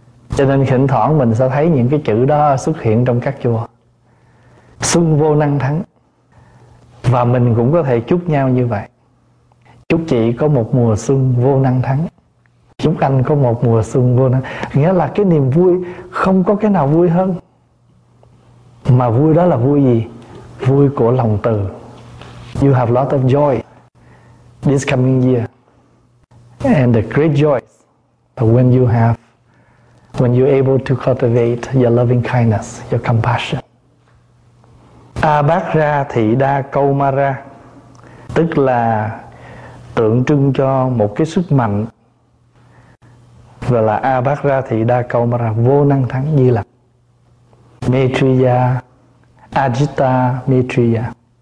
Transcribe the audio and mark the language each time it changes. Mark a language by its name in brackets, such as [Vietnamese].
[Vietnamese] Cho nên thỉnh thoảng mình sẽ thấy những cái chữ đó xuất hiện trong các chùa, Xuân Vô Năng Thắng. Và mình cũng có thể chúc nhau như vậy: chúc chị có một mùa xuân vô năng thắng, chúc anh có một mùa xuân vô năng. Nghĩa là cái niềm vui không có cái nào vui hơn. Mà vui đó là vui gì? Vui của lòng từ. [English] You have lot of joy this coming year, and the great joy when you have, when you're able to cultivate your loving kindness, your compassion. [Vietnamese] Abhadra thị đa kaumara, tức là tượng trưng cho một cái sức mạnh, gọi là Abhadra thị đa kaumara, vô năng thắng Di Lặc. Maitreya, Ajita Maitreya.